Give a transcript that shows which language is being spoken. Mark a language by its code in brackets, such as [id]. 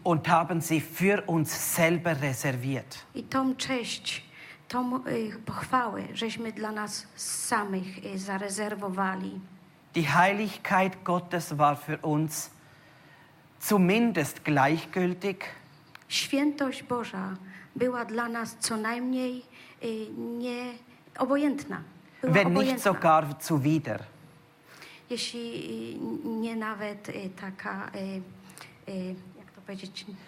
[de] Und haben sie für uns selber reserviert. [pl] I tą cześć, tą pochwałę, żeśmy dla nas samych zarezerwowali. [de] Die Heiligkeit Gottes war für uns zumindest gleichgültig. [pl] Świętość Boża była dla nas co najmniej nie obojętna. Była [de] wenn [pl] obojętna. [de] Nicht sogar zuwider. [pl] Jeśli nie nawet taka, jak to powiedzieć,